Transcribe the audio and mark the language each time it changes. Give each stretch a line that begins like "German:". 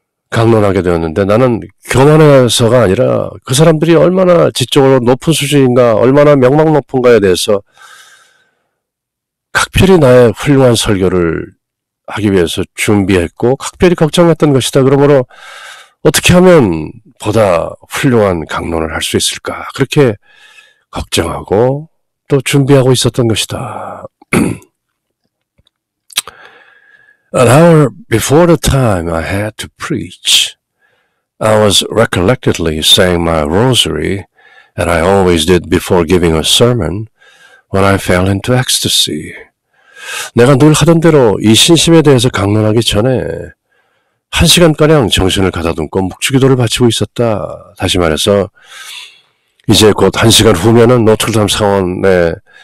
Korean: 강론하게 되었는데 나는 교만해서가 아니라 그 사람들이 얼마나 지적으로 높은 수준인가, 얼마나 명망 높은가에 대해서 각별히 나의 훌륭한 설교를 하기 위해서 준비했고 각별히 걱정했던 것이다. 그러므로 어떻게 하면 보다 훌륭한 강론을 할 수 있을까, 그렇게 걱정하고 또 준비하고 있었던 것이다.
English: An hour before the time I had to preach, I was recollectedly saying my rosary, and I always did before giving a sermon, when I fell into ecstasy.
Korean: 내가 늘 하던 대로 이 신심에 대해서 강론하기 전에 한 시간가량 정신을 가다듬고 묵주기도를 바치고 있었다. 다시 말해서 이제 곧 한 시간 후면은 노틀담 사원에